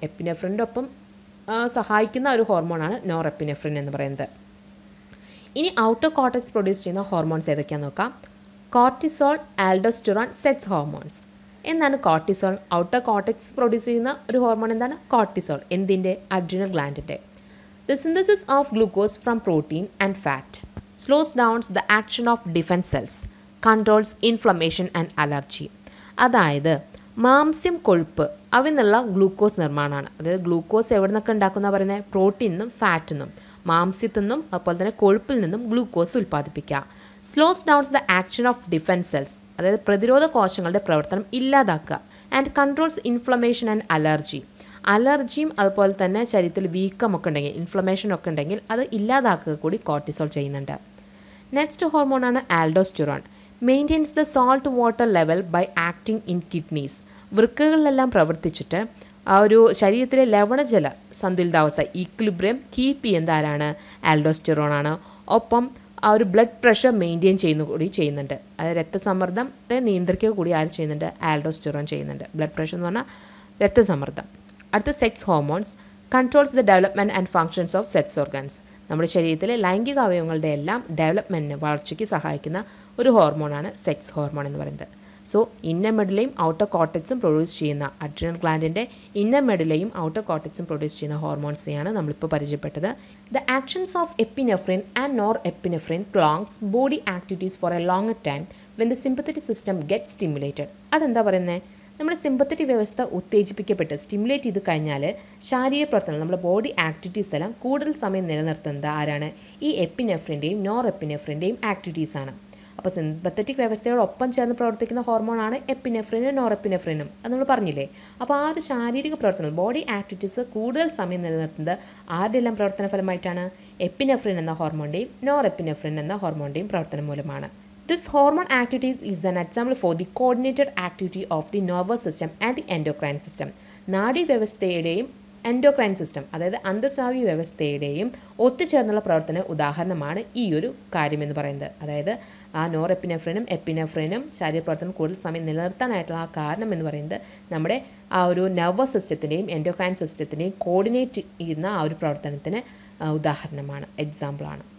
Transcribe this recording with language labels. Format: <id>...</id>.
<ml>എപ്പിനെഫ്രിൻ്റെ ഒപ്പം സഹായിക്കുന്ന ഒരു ഹോർമോണാണ് നോർ എപ്പിനെഫ്രിൻ എന്ന് പറയുന്നത്. ഇനി ഔട്ടർ കോർട്ടെക്സ് പ്രൊഡ്യൂസ് ചെയ്യുന്ന ഹോർമോൺസ് ഏതൊക്കെയാണ് നോക്കാം. Cortisol, aldosterone, sex hormones. എന്താണ് കോർട്ടിസോൾ? ഔട്ടർ കോർട്ടെക്സ് പ്രൊഡ്യൂസ് ചെയ്യുന്ന ഒരു ഹോർമോൺ എന്താണ് കോർട്ടിസോൾ? എന്തിൻ്റെ? Adrenal ഗ്ലാൻഡിൻ്റെ.</ml> <en>The synthesis of glucose from protein and fat slows down the action of defense cells, controls inflammation and allergy.</en> <ml>അതായത് മാംസ്യം കൊഴുപ്പ് അവിൽ നിന്നുള്ള ഗ്ലൂക്കോസ് നിർമ്മാണമാണ്. അതായത് ഗ്ലൂക്കോസ് എവിടെ നിന്നൊക്കെ ഉണ്ടാക്കുന്ന പറയുന്നത് പ്രോട്ടീൻ നിന്നും ഫാറ്റിൽ നിന്നും മാംസ്യത്തിൽ നിന്നും അതുപോലെ തന്നെ കൊഴുപ്പിൽ നിന്നും glucose ഉൽപ്പാദിപ്പിക്കുക.</ml> <en>slows downs the action of defence cells</en> <ml>അതായത് പ്രതിരോധ കോശങ്ങളുടെ പ്രവർത്തനം ഇല്ലാതാക്കുക.</ml> <en>And controls inflammation and allergy.</en> <ml>അലർജിയും അതുപോലെ തന്നെ ശരീരത്തിൽ വീക്കമൊക്കെ ഉണ്ടെങ്കിൽ ഇൻഫ്ലമേഷൻ ഒക്കെ ഉണ്ടെങ്കിൽ അത് ഇല്ലാതാക്കുക കൂടി കോർട്ടിസോൾ ചെയ്യുന്നുണ്ട്. നെക്സ്റ്റ് ഹോർമോണാണ് aldosterone.</ml> <en>Maintains the salt water level by acting in kidneys.</en> <ml>വൃക്കകളിലെല്ലാം പ്രവർത്തിച്ചിട്ട് ആ ഒരു ശരീരത്തിലെ ലവണജല സന്തുലിതാവസ്ഥ ഈക്വിലിബ്രിയം കീപ്പ് ചെയ്യുന്ന ആരാണ്? ആൽഡോസ്റ്റിറോണാണ്. ഒപ്പം ആ ഒരു ബ്ലഡ് പ്രഷർ മെയിൻറ്റെയിൻ ചെയ്യുന്ന കൂടി ചെയ്യുന്നുണ്ട്. അതായത് രക്തസമ്മർദ്ദത്തെ നിയന്ത്രിക്കുക കൂടി ആര് ചെയ്യുന്നുണ്ട്? ആൽഡോസ്റ്റിറോൺ ചെയ്യുന്നുണ്ട്. ബ്ലഡ് പ്രഷർ എന്ന് പറഞ്ഞാൽ രക്തസമ്മർദ്ദം. അടുത്ത sex hormones.</ml> <en>Controls the development and functions of sex organs.</en> <ml>നമ്മുടെ ശരീരത്തിലെ ലൈംഗിക അവയവങ്ങളുടെ എല്ലാം ഡെവലപ്മെൻറ്റിന് വളർച്ചയ്ക്ക് സഹായിക്കുന്ന ഒരു ഹോർമോണാണ് സെക്സ് ഹോർമോൺ എന്ന് പറയുന്നത്. സോ ഇന്നർ മെഡിലെയും ഔട്ടർ കോർട്ടെക്സും പ്രൊഡ്യൂസ് ചെയ്യുന്ന അഡ്രിനൽ ഗ്ലാൻഡിൻ്റെ ഇന്നർ മെഡിലെയും ഔട്ടർ കോർട്ടെക്സും പ്രൊഡ്യൂസ് ചെയ്യുന്ന ഹോർമോൺസിനെയാണ് നമ്മളിപ്പോൾ പരിചയപ്പെട്ടത്.</ml> <en>The actions of epinephrine and norepinephrine prolongs body activities for a longer time when the sympathetic system get stimulated.</en> <ml>അതെന്താ പറയുന്നത്? നമ്മുടെ സിമ്പത്തറ്റിക് വ്യവസ്ഥ ഉത്തേജിപ്പിക്കപ്പെട്ട് സ്റ്റിമുലേറ്റ് ചെയ്ത് കഴിഞ്ഞാൽ ശാരീരിക പ്രവർത്തനം നമ്മുടെ ബോഡി ആക്ടിവിറ്റീസ് എല്ലാം കൂടുതൽ സമയം നിലനിർത്തുന്നത് ആരാണ്? ഈ എപ്പിനെഫ്രിൻ്റെയും നോർ എപ്പിനെഫ്രിൻ്റെയും ആക്ടിവിറ്റീസാണ്. അപ്പോൾ സിമ്പത്തറ്റിക് വ്യവസ്ഥയോടൊപ്പം ചേർന്ന് പ്രവർത്തിക്കുന്ന ഹോർമോണാണ് എപ്പിനെഫ്രിനും നോർ എപ്പിനെഫ്രിനും. അത് നമ്മൾ പറഞ്ഞില്ലേ? അപ്പോൾ ആ ഒരു ശാരീരിക പ്രവർത്തനം ബോഡി ആക്ടിവിറ്റീസ് കൂടുതൽ സമയം നിലനിർത്തുന്നത് ആരുടെ എല്ലാം പ്രവർത്തന ഫലമായിട്ടാണ്? എപ്പിനെഫ്രിൻ എന്ന ഹോർമോണിൻ്റെയും നോർ എപ്പിനെഫ്രിൻ എന്ന ഹോർമോണിൻ്റെയും പ്രവർത്തനം മൂലമാണ്.</ml> <en>This hormone activities is an example for the coordinated activity of the nervous system and the endocrine system.</en> <ml>നാഡി വ്യവസ്ഥയുടെയും എൻഡോക്രൈൻ സിസ്റ്റം അതായത് അന്തസ്രാവി വ്യവസ്ഥയുടെയും ഒത്തുചേർന്നുള്ള പ്രവർത്തന ഉദാഹരണമാണ് ഈ ഒരു കാര്യമെന്ന് പറയുന്നത്. അതായത് ആ നോർ എപ്പിനെഫ്രിനും എപ്പിനെഫ്രിനും ശരീരപ്രവർത്തനം കൂടുതൽ സമയം നിലനിർത്താനായിട്ടുള്ള ആ കാരണം എന്ന് പറയുന്നത് നമ്മുടെ ആ ഒരു നെർവസ് സിസ്റ്റത്തിൻ്റെയും എൻഡോക്രൈൻ സിസ്റ്റത്തിൻ്റെയും കോർഡിനേറ്റ് ചെയ്യുന്ന ആ ഒരു പ്രവർത്തനത്തിന് ഉദാഹരണമാണ്, എക്സാമ്പിളാണ്.</ml>